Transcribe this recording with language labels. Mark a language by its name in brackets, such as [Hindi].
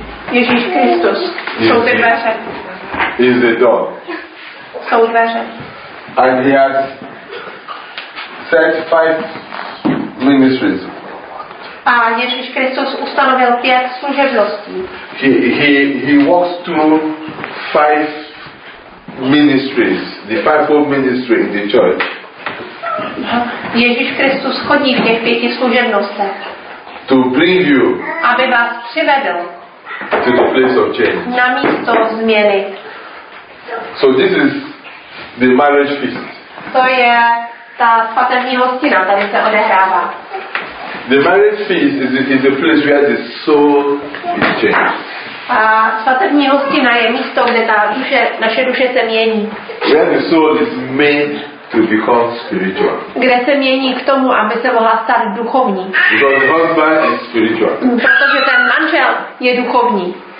[Czech] Ježíš Kristus. Jsou ty dveře. [English] Is the door. [Czech] Jsou dveře. [English] And he has set 5 ministries. [Czech] A Ježíš Kristus ustanovil 5 služebností. [English] He walks through 5 ministries, the 5-fold ministry in the church. [Czech] Ježíš Kristus chodí v těch 5 služebnostech. [English] To bring you. [Czech] Aby vás přivedl. [English] To the place of change. [Czech] Na místo změny. [English] So this is the marriage feast. [Czech] To je ta svatební hostina, tady se odehrává. [English] The marriage feast is a place where the soul is changed. [Czech] A svatební hostina je místo, kde ta duše, naše duše se mění. [English] Where the soul is made to become spiritual. [Czech] Kde se mění k tomu, aby se mohla stát duchovní. [English] Because the husband is spiritual. [Czech] Protože ten manžel je duchovní.